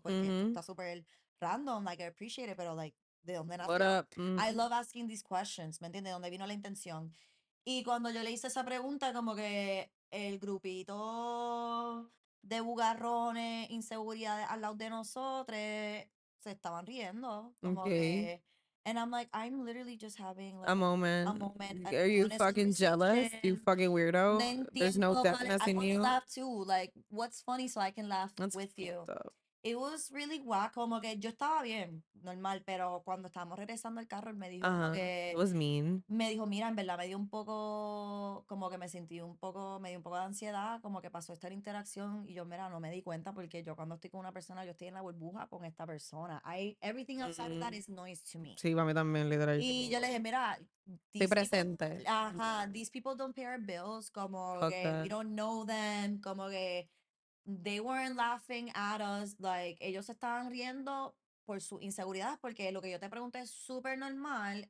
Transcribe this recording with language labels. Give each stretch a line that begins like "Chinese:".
Spanish: Porque está súper random,
English: like, I appreciate it,
Spanish: pero like, ¿de dónde nació?
English: I love asking these questions,
Spanish: ¿me entiendes? ¿De dónde vino la intención? Y cuando yo le hice esa pregunta, como que el grupito de bugarrones, inseguridades al lado de nosotros, se estaban riendo. Como okay. Que,
English: and I'm like, I'm literally just having like, a moment. Are you fucking jealous? You fucking weirdo? There's no deafness in you. I want to laugh too. Like, what's funny so I can laugh That's with you? It was really whack.
Spanish: Como que yo estaba bien, normal, pero cuando estábamos regresando al carro, él me dijo que...
English: It was mean.
Spanish: Me dijo, mira, en verdad me dio un poco, como que me sentí un poco, me dio un poco de ansiedad, como que pasó esta interacción, y yo, mira, no me di cuenta, porque yo cuando estoy con una persona, yo estoy en la burbuja con esta persona.
English: Everything outside of that is noise to me.
Spanish: Sí, para mí también, literal. Y yo le dije, mira... Estoy presente.
English: People, ajá, these people don't pay our bills,
Spanish: como okay. Que
English: we don't know them,
Spanish: como que...
English: They weren't laughing at us, like,
Spanish: ellos se estaban riendo por su inseguridad, porque lo que yo te pregunté es súper normal.